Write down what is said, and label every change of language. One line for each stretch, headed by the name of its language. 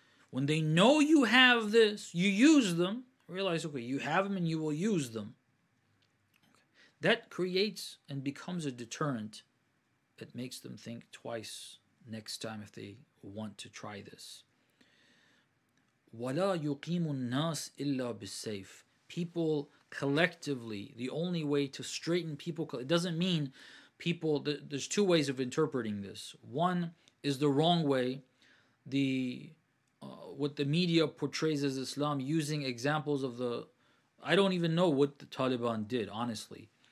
English: When they know you have this, you use them. Realize, okay, you have them and you will use them. Okay. That creates and becomes a deterrent. It makes them think twice next time if they want to try this.
Arabic: ولا يقيم الناس إلا بالسيف.
English: People collectively, the only way to straighten people, it doesn't mean people, there's two ways of interpreting this. One is the wrong way, the what the media portrays as Islam, using examples of the, I don't even know what the Taliban did, honestly.